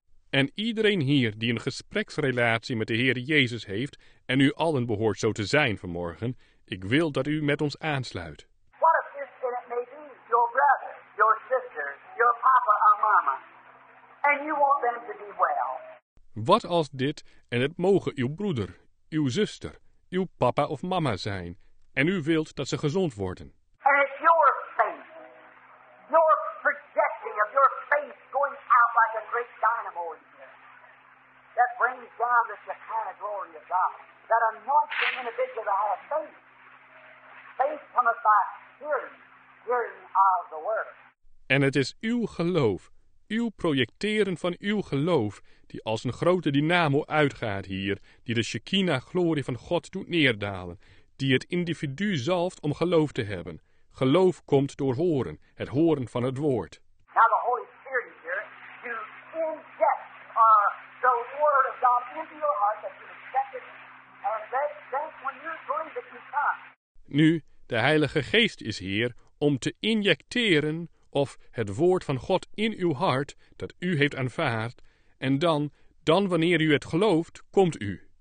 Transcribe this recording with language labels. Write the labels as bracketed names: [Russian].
[Dutch] En iedereen hier die een gespreksrelatie met de Heer Jezus heeft, en u allen behoort zo te zijn vanmorgen, ik wil dat u met ons aansluit. [English] What if this then it may be your brother, your sister, your papa or mama, and you want them to be well? [Dutch] Wat als dit, en het mogen uw broeder, uw zuster, uw papa of mama zijn, en u wilt dat ze gezond worden. [English] And it's your faith, your projecting of your faith going out like a great dynamo in here, that brings down the Shekinah glory of God, that anoints an individual to have faith. Faith comes by hearing, hearing of the word. [Dutch] En het is uw geloof, uw projecteren van uw geloof, die als een grote dynamo uitgaat hier, die de Shekinah-glorie van God doet neerdalen, die het individu zalft om geloof te hebben. Geloof komt door horen, het horen van het woord. [English] Now the Holy Spirit is here to inject the word of God into your heart that you accept it, and that's when you're going to come. [Dutch] Nu, de Heilige Geest is hier om te injecteren of het woord van God in uw hart dat u heeft aanvaard, en dan wanneer u het gelooft, komt u.